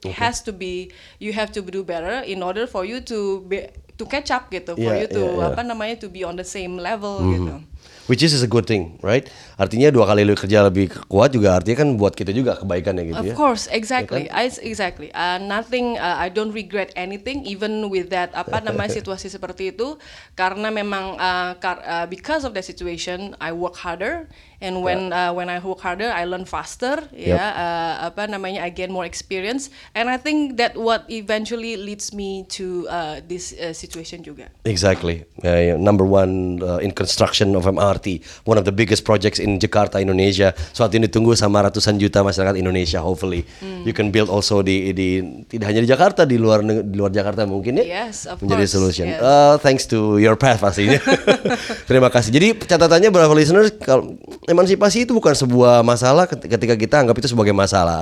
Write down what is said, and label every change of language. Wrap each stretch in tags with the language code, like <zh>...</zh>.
<en>It has to be, you have to do better in order for you to catch up gitu, to be on the same level gitu. Which is a good thing, right?</en> <id>Artinya dua kali lebih kerja lebih kuat juga artinya kan buat kita juga kebaikan ya gitu ya.</id> <en>Of course, exactly. I don't regret anything even with that</en> <id>situasi seperti itu, karena memang</id> <en>because of that situation I work harder. And when I work harder, I learn faster. I gain more experience. And I think that what eventually leads me to this situation juga. Exactly. Number one in construction of MRT, one of the biggest projects in Jakarta, Indonesia.</en> <id>So saat ini tunggu sama ratusan juta masyarakat Indonesia.</id> <en>Hopefully, you can build also</en> <id>di tidak hanya di Jakarta, di luar Jakarta mungkin ya.</id> <en>Yes, of</en> <id>menjadi</id> <en>course. Solution. Yes. Thanks to your path</en> <id>pastinya. Terima kasih. Jadi catatannya berapa listeners? emansipasi itu bukan sebuah masalah ketika kita anggap itu sebagai masalah.</id>